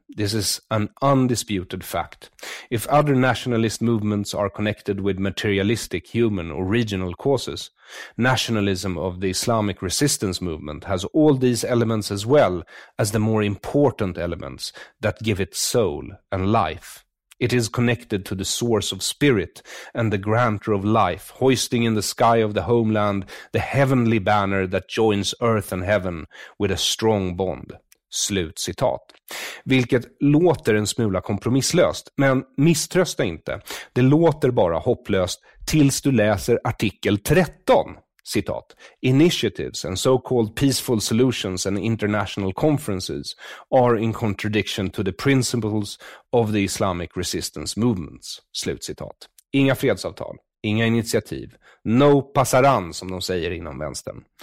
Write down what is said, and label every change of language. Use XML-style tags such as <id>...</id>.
<en>This is an undisputed fact. If other nationalist movements are connected with materialistic, human, or regional causes, nationalism of the Islamic resistance movement has all these elements as well as the more important elements that give it soul and life. It is connected to the source of spirit and the grantor of life, hoisting in the sky of the homeland the heavenly banner that joins earth and heaven with a strong bond.</en> <sv>Slut citat. Vilket låter en smula kompromisslöst, men misströsta inte. Det låter bara hopplöst tills du läser artikel 13. Citat,</sv> <en>initiatives and so-called peaceful solutions and international conferences are in contradiction to the principles of the Islamic resistance movements.</en> <sv>Slut citat. Inga fredsavtal, inga initiativ, no pasaran som de säger inom vänstern.</sv>